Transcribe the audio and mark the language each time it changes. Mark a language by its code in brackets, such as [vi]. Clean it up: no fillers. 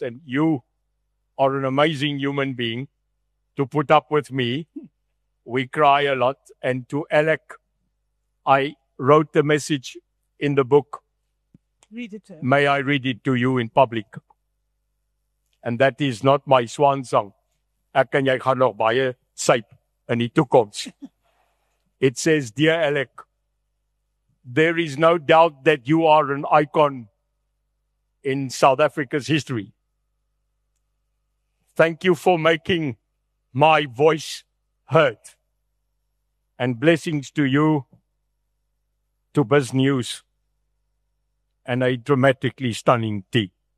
[en] And you are an amazing human being to put up with me. We cry a lot. And to Alec, I wrote the message in the book. Read it. May I read it to you in public? And that is not my swan song. [af] Ek en jy gaan nog baie syp in die toekoms. [en] It says, dear Alec, there is no doubt that you are an icon in South Africa's history. Thank you for making my voice heard. And blessings to you, to Biz News, and a dramatically stunning tea.